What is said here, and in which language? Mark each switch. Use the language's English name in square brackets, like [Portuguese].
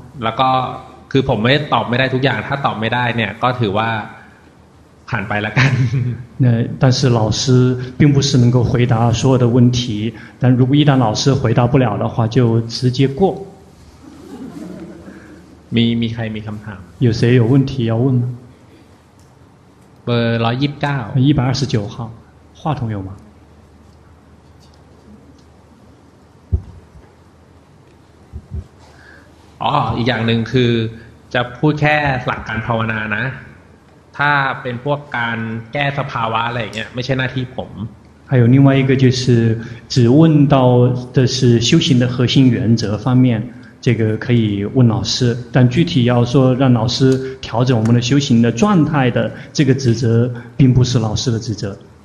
[Thai] แล้วก็คือผมไม่ตอบไม่ได้ทุกอย่างถ้าตอบไม่ได้เนี่ยก็ถือว่าผ่านไปละกัน [Chinese] 那但是老师并不是能够回答所有的问题但如果一旦老师回答不了的话就直接过 [Thai] มีใครมีคำถาม [Chinese] 有谁有问题要问吗 [Thai] เบอร์129 [Chinese] 129号话筒有吗 [Thai] อีกอย่างหนึ่งคือจะพูดแค่หลักการภาวนานะถ้าเป็นพวกการแก้สภาวะอะไรเงี้ยไม่ใช่หน้าที่ผม [Chinese] 还有另外一个就是只问到的是修行的核心原则方面这个可以问老师但具体要说让老师调整我们的修行的状态的这个职责并不是老师的职责